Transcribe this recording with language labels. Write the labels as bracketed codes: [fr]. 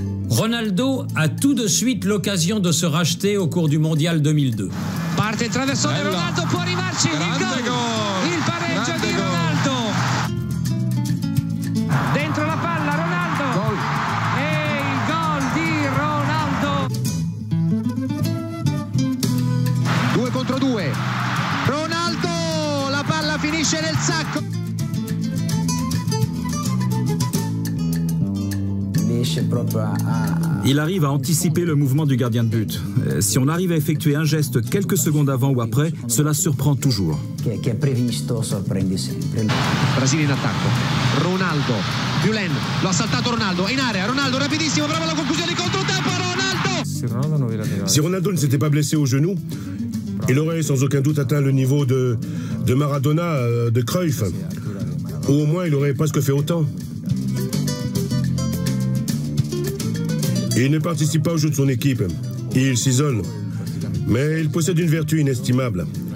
[fr] Ronaldo a tout de suite l'occasion de se racheter au cours du Mondial 2002. [it] Parte il traversone di Ronaldo, può arrivarci, il gol, il pareggio di Ronaldo. Dentro la palla, Ronaldo. E il gol di Ronaldo. 2 contro 2. Ronaldo, la palla finisce nel sacco. [fr] Il arrive à anticiper le mouvement du gardien de but. Si on arrive à effectuer un geste quelques secondes avant ou après, cela surprend toujours. [it] Che è previsto, sorprende sempre. Brasile in attacco. Ronaldo. Julen. Lo ha saltato Ronaldo. In area. Ronaldo, rapidissimo. Brava la conclusione di controtempo. Ronaldo. [fr] Si Ronaldo ne s'était pas blessé au genou, il aurait sans aucun doute atteint le niveau de Maradona, de Cruyff. Ou au moins, il aurait presque fait autant. Il ne participe pas au jeu de son équipe. Il s'isole. Mais il possède une vertu inestimable.